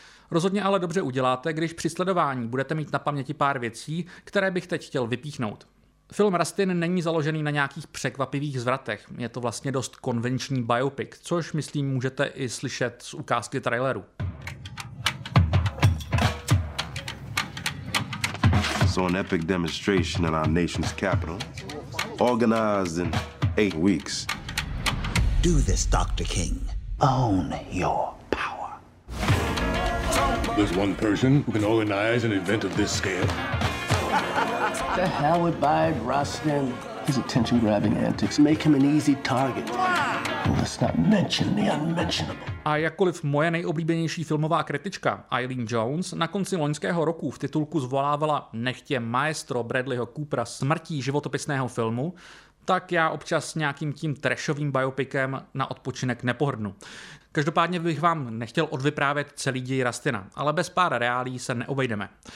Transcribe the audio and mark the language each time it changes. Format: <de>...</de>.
<cs>Rozhodně ale dobře uděláte, když při sledování budete mít na paměti pár věcí, které bych teď chtěl vypíchnout. Film Rustin není založený na nějakých překvapivých zvratech, je to vlastně dost konvenční biopic, což myslím můžete i slyšet z ukázky traileru.</cs> <en>So an epic demonstration in our nation's capital, organized in 8 weeks. Do this, Dr. King. Own your power. There's one person who can organize an event of this scale. The hell with Bayard Rustin. His attention-grabbing antics make him an easy target. Let's not mention the unmentionable.</en> <cs>A jakkoliv moje nejoblíbenější filmová kritička, Eileen Jones, na konci loňského roku v titulku zvolávala nechtě maestro Bradleyho Coopera smrtí životopisného filmu, tak já občas nějakým tím trashovým biopikem na odpočinek nepohrdnu. Každopádně bych vám nechtěl odvyprávět celý děj Rustina, ale bez pár reálí se neobejdeme.</cs>